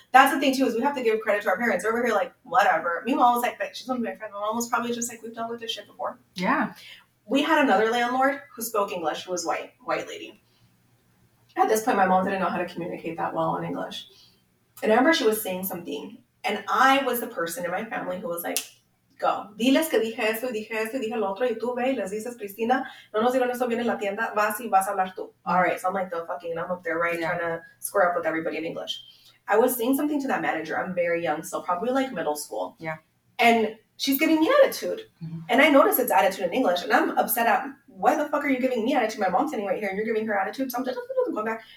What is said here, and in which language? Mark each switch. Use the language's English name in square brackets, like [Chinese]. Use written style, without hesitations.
[English] That's the thing, too, is we have to give credit to our parents. They're over here like, whatever. Meanwhile, I was like, but she's one of my friends. My mom was probably just like, we've dealt with this shit before. Yeah. We had another landlord who spoke English, who was white lady. At this point, my mom didn't know how to communicate that well in English. And I remember she was saying something, and I was the person in my family who was like, go. [Spanish] Diles que dije eso, dije eso, dije lo otro, y tú ve, y les dices, Cristina, no nos digan eso bien en la tienda, vas y vas a hablar tú. [English] All right, so I'm like, the fucking, I'm up there, right, yeah. Trying to square up with everybody in English. I was saying something to that manager. I'm very young, so probably like middle school. Yeah. And she's giving me attitude. Mm-hmm. And I notice it's attitude in English, and I'm upset at, why the fuck are you giving me attitude? My mom's sitting right here, and you're giving her attitude, so I'm just going back.